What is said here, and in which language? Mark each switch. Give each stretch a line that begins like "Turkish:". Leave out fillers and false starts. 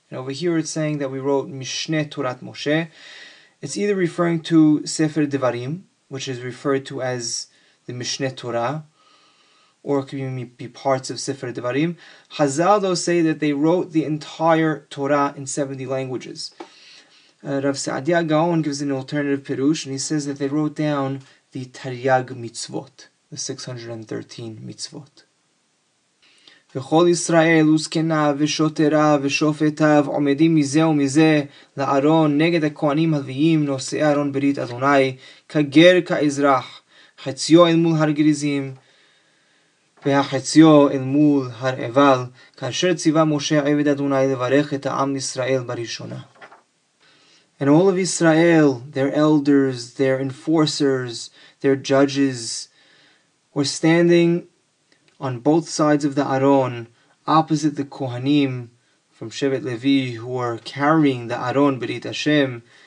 English: And over here it's saying that we wrote Mishneh Torat Moshe. It's either referring to Sefer Devarim, which is referred to as the Mishneh Torah, or it could be parts of Sefer Devarim. Hazal, though, say that they wrote the entire Torah in 70 languages. Rav Saadia Gaon gives an alternative Pirush, and he says that they wrote down the Taryag Mitzvot, the 613 Mitzvot.
Hebrew: וכל ישראל וזקניו ושוטריו ושופטיו עומדים מזה ומזה לארון נגד הכהנים הלוויים נושאי ארון ברית אדוני כגר כאזרח חציו אל מול הר גריזים והחציו אל מול הר עבל כאשר ציווה משה עבד אדוני לברך את העם ישראל בראשונה.
English: And all of Israel, their elders, their enforcers, their judges, were standing on both sides of the Aron, opposite the Kohanim from Shevet Levi, who are carrying the Aron, Berit Hashem,